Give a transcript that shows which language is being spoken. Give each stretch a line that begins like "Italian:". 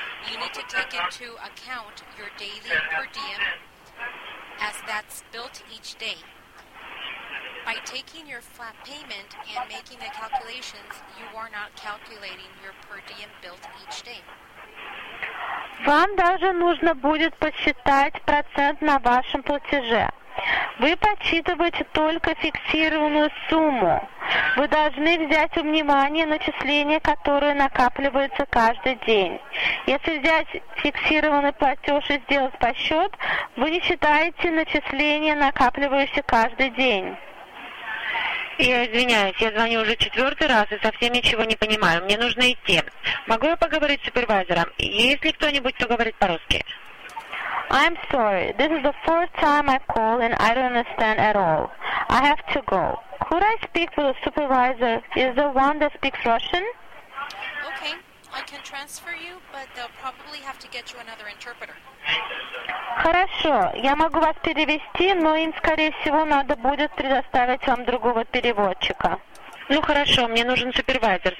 English: You need to take into account your daily per diem as that's built each day. By taking your flat payment and making the calculations, you are not calculating your per diem built each day.
Russian: Вам даже нужно будет посчитать процент на вашем платеже. Вы подсчитываете только фиксированную сумму. Вы должны взять во внимание начисления, которые накапливаются каждый день. Если взять фиксированный платеж и сделать подсчет, вы не считаете начисления, накапливающиеся каждый день. я извиняюсь, я звоню уже четвертый раз и совсем ничего не понимаю. Мне нужно идти. Могу я поговорить с супервайзером? Есть ли кто-нибудь, кто говорит по-русски?
English: I'm sorry. This is the fourth time I call and I don't understand at all. I have to go. Could I speak with the supervisor? Is the one that speaks Russian? Okay. I can transfer you, but they'll probably have to get you another interpreter.
Russian: Хорошо. Я могу вас перевести, но им, скорее всего, надо будет предоставить вам другого переводчика. Ну хорошо, мне нужен супервайзер.